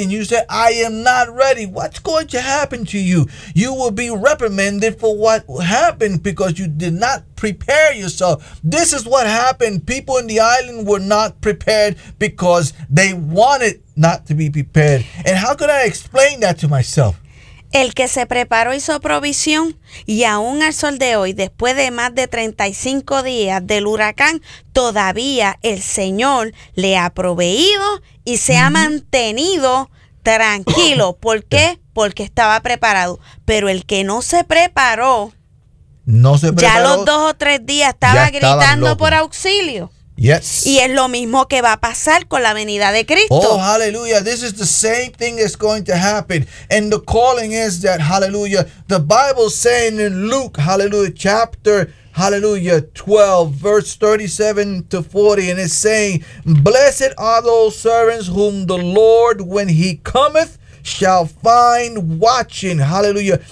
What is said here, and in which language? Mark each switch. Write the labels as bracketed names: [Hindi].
[English] And you said, I am not ready. What's going to happen to you? You will be reprimanded for what happened because you did not prepare yourself. This is what happened. People in the island were not prepared because they wanted not to be prepared. And how could I explain that to myself? [Spanish] El que se preparó hizo provisión, y aún al sol de hoy, después de más de 35 días del huracán, todavía el Señor le ha proveído y se ha mantenido tranquilo. ¿Por qué? Porque estaba preparado. Pero el que no se preparó, ya los dos o tres días estaba gritando por auxilio. [English] Yes. [Spanish] Y es lo mismo que va a pasar con la venida de Cristo. [English] Oh, hallelujah. This is the same thing that's going to happen. And the calling is that, hallelujah, the Bible saying in Luke, hallelujah, chapter, hallelujah, 12, verse 37 to 40, and it's saying, blessed are those servants whom the Lord, when he cometh, shall find watching. Hallelujah.